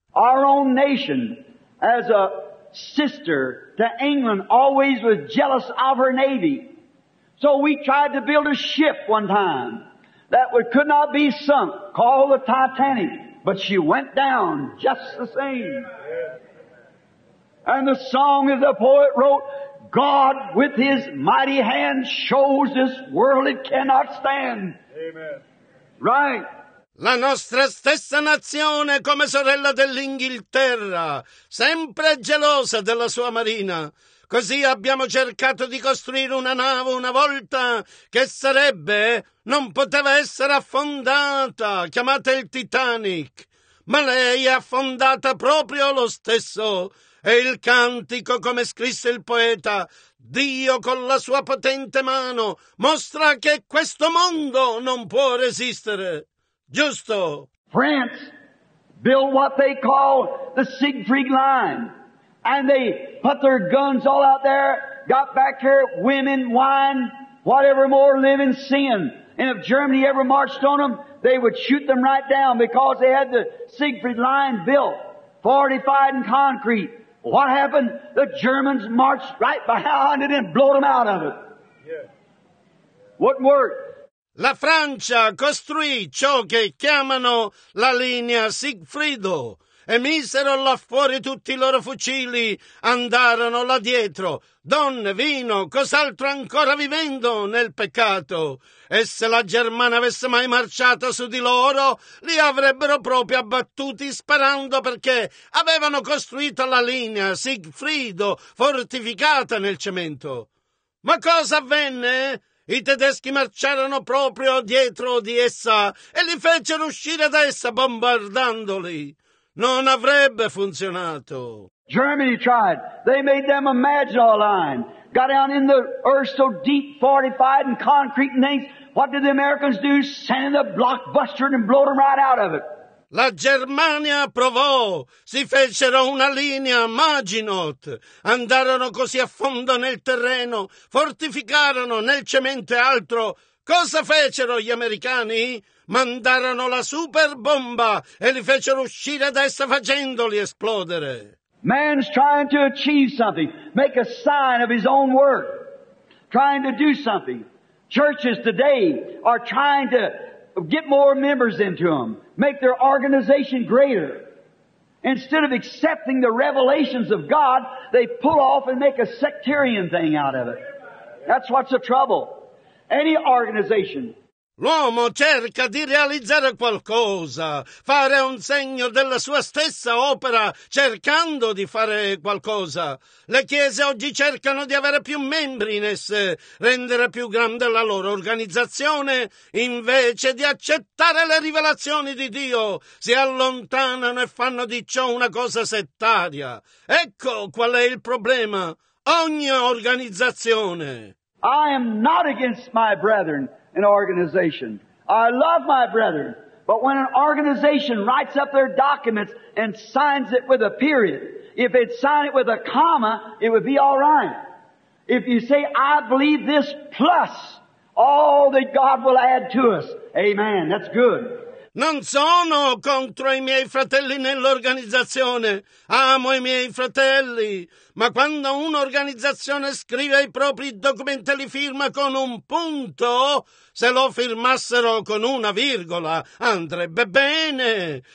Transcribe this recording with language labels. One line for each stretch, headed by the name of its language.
English: Our own nation, as a sister to England, always was jealous of her navy. So we tried to build a ship one time that could not be sunk, called the Titanic, but she went down just the same. And the song that the poet wrote, God with his mighty hand shows this world it cannot stand. Amen. Right.
Italian: La nostra stessa nazione, come sorella dell'Inghilterra, sempre gelosa della sua marina. Così abbiamo cercato di costruire una nave una volta che sarebbe, non poteva essere affondata, chiamata il Titanic. Ma lei è affondata proprio lo stesso. E il cantico, come scrisse il poeta, Dio con la sua potente mano mostra che questo mondo non può resistere. Giusto.
English: France built what they call the Siegfried Line. And they put their guns all out there, got back here, women, wine, whatever more, live in sin. And if Germany ever marched on them, they would shoot them right down because they had the Siegfried Line built, fortified in concrete. What happened? The Germans marched right behind it and blew them out of it. Yeah. Wouldn't work.
Italian: La Francia costruì ciò che chiamano la linea Siegfriedo. E misero là fuori tutti i loro fucili, andarono là dietro, donne, vino, cos'altro ancora vivendo nel peccato. E se la Germania avesse mai marciato su di loro, li avrebbero proprio abbattuti sparando perché avevano costruito la linea Siegfriedo fortificata nel cemento. Ma cosa avvenne? I tedeschi marciarono proprio dietro di essa e li fecero uscire da essa bombardandoli. Non avrebbe funzionato.
English: Germany tried. They made them a Maginot Line. Got down in the earth so deep, fortified and concrete and things. What did the Americans do? Send a blockbuster and blow them right out of it.
Italian: La Germania provò. Si fecero una linea Maginot. Andarono così a fondo nel terreno. Fortificarono nel cemento e altro. Cosa fecero gli americani? Mandarono la superbomba e li fecero uscire da essa facendoli esplodere.
English: Man's trying to achieve something, make a sign of his own work, trying to do something. Churches today are trying to get more members into them, make their organization greater. Instead of accepting the revelations of God, they pull off and make a sectarian thing out of it. That's what's the trouble. Any organization.
Italian: L'uomo cerca di realizzare qualcosa, fare un segno della sua stessa opera, cercando di fare qualcosa. Le chiese oggi cercano di avere più membri in esse, rendere più grande la loro organizzazione, invece di accettare le rivelazioni di Dio, si allontanano e fanno di ciò una cosa settaria. Ecco qual è il problema. Ogni organizzazione.
English: I am not against my brethren. An organization. I love my brethren, but when an organization writes up their documents and signs it with a period, if it signed it with a comma, it would be all right. If you say, I believe this plus all that God will add to us, amen, that's good.
Italian: Non sono contro i miei fratelli nell'organizzazione. Amo i miei fratelli. Ma quando un'organizzazione scrive i propri documenti e li firma con un punto, se lo firmassero con una virgola, andrebbe bene.